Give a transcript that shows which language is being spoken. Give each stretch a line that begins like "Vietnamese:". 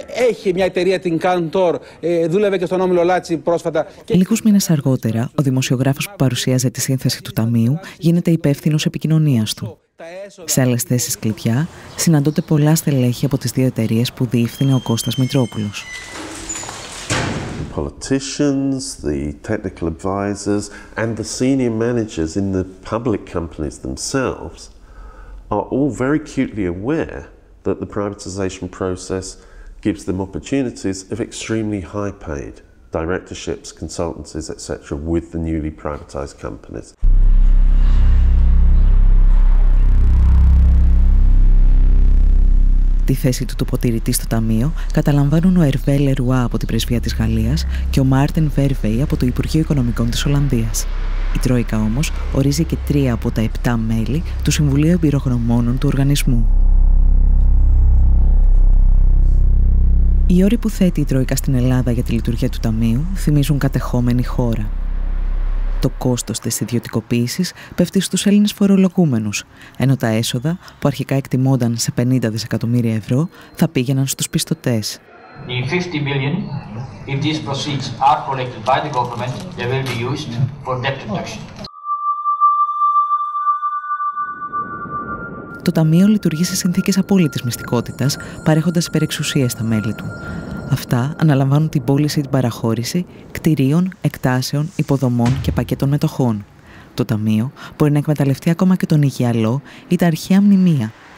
Greek: Έχει μια εταιρεία, την Cantor, δούλευε και στον Όμιλο Λάτσι πρόσφατα. Λίγους μήνες αργότερα, ο δημοσιογράφος που παρουσίαζε τη σύνθεση του Ταμείου γίνεται υπεύθυνος επικοινωνίας του. Σε άλλες θέσεις κλειδιά, συναντώνται πολλά στελέχη από τις δύο εταιρείες που διεύθυνε ο Κώστας Μητρόπουλος.
English: Politicians, the technical advisors, and the senior managers in the public companies themselves are all very acutely aware that the privatization process gives them opportunities of extremely high-paid directorships, consultancies, etc., with the newly privatized companies.
Greek: Τη θέση του τοποτηρητή στο Ταμείο καταλαμβάνουν ο Ερβέ Λερουά από την Πρεσβεία της Γαλλίας και ο Μάρτιν Βέρβεϊ από το Υπουργείο Οικονομικών της Ολλανδίας. Η Τρόικα όμως ορίζει και τρία από τα 7 μέλη του Συμβουλίου Εμπειρογνωμόνων του Οργανισμού. Οι όροι που θέτει η Τρόικα στην Ελλάδα για τη λειτουργία του Ταμείου θυμίζουν κατεχόμενη χώρα. Το κόστος της ιδιωτικοποίησης πέφτει στους Έλληνες φορολογούμενους, ενώ τα έσοδα, που αρχικά εκτιμόνταν σε 50 δισεκατομμύρια ευρώ, θα πήγαιναν στους πιστωτές.
English: The 50 million, if these proceeds are collected by the government, they will be used for debt reduction.
Greek: Το Ταμείο λειτουργεί σε συνθήκες απόλυτης μυστικότητας, παρέχοντας υπερεξουσία στα μέλη του. Αυτά αναλαμβάνουν την πώληση ή την παραχώρηση κτηρίων, εκτάσεων, υποδομών και πακέτων μετοχών. Το Ταμείο μπορεί να εκμεταλλευτεί ακόμα και τον υγειαλό ή τα αρχαία μνημεία.